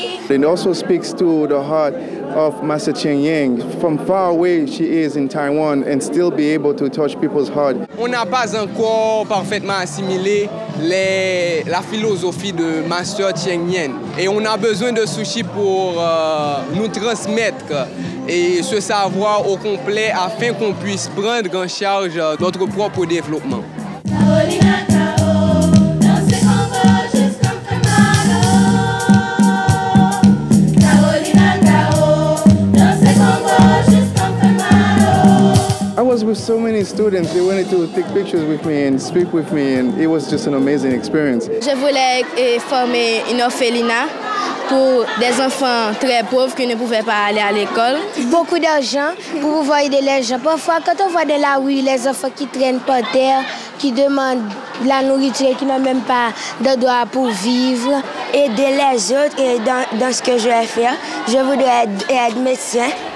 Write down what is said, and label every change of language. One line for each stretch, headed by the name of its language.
English: It also speaks to the heart of Master Chen Yang. From far away, she is in Taiwan and still be able to touch people's heart.
French: On n'a pas encore parfaitement assimilé la philosophie de Master Chen Yang. Et on a besoin de sushi pour nous transmettre et ce savoir au complet afin qu'on puisse prendre en charge notre propre développement.
English: With so many students, they wanted to take pictures with me and speak with me, and it was just an amazing experience.
French: Je voulais former une orphelinat pour des enfants très pauvres qui ne pouvaient pas aller à l'école. Beaucoup d'argent pour pouvoir aider les gens. Parfois, quand on voit dans la rue les enfants qui traînent par terre, qui demandent la nourriture, qui n'ont même pas d'endroit pour vivre, aider les autres et dans ce que je vais faire, je voudrais être médecin.